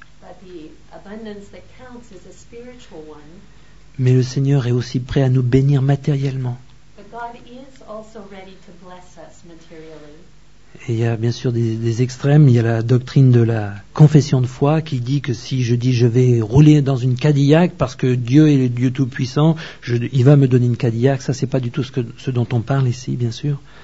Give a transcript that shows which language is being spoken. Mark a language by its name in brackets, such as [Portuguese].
[English] But the abundance that counts is a spiritual one. [French] Mais le Seigneur est aussi prêt à nous bénir matériellement. [English] But God is also ready to bless us materially. [French] Et il y a bien sûr des extrêmes. Il y a la doctrine de la confession de foi qui dit que si je dis je vais rouler dans une Cadillac parce que Dieu est le Dieu Tout-Puissant, il va me donner une Cadillac. Ça, c'est pas du tout ce dont on parle ici, bien sûr.